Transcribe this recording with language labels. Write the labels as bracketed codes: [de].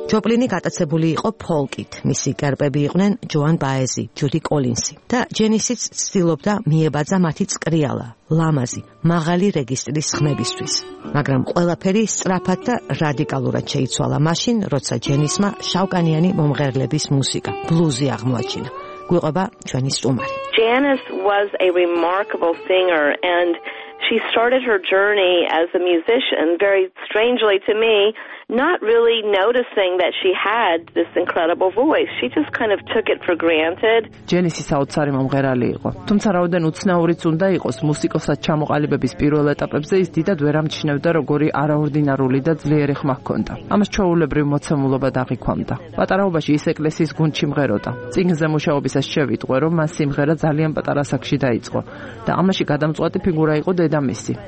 [ka] ჯოპლინი გატაცებული იყო ფოლკით. მისი გერბები იყვნენ ჯოან ბაეზი, ჯუდი კოლინსი და ჯენისიც ცდილობდა მიებაძა მათი წკრიალა, ლამაზი, მაღალი რეგისტრის ხმებისთვის. მაგრამ ყველაფერი სწრაფად და რადიკალურად შეიცვალა მაშინ, როცა ჯენისმა შავკანიანი მომღერლების მუსიკა, ბლუზი აღმოაჩინა. გვიყვება ჩვენი სტუმარი. [en] Janis was a remarkable singer and she started her journey as a musician very strangely to me, not really noticing that she had this incredible voice. She just kind of took it for granted. [ka] Janis-ის საოცარი მომღერალი იყო. თუმცა რაოდენ უცნაურიც უნდა იყოს, მუსიკოსად ჩამოყალიბების პირველ ეტაპებზე ის დიდად ვერ ამჩნევდა, როგორი არაორდინარული და ძლიერი ხმა ჰქონდა. ამას ჩაულებრივ მოცემულობა დაღიქვამდა. პატარაობაში ის ეკლესიის გუნდში მღეროდა. წიგნზე მუშაობისას შევიტყვე, რომ მას სიმღერა ძალიან პატარა საკში დაიწყო და ამაში გადამწყვეტი ფიგურა იყო დედამისი.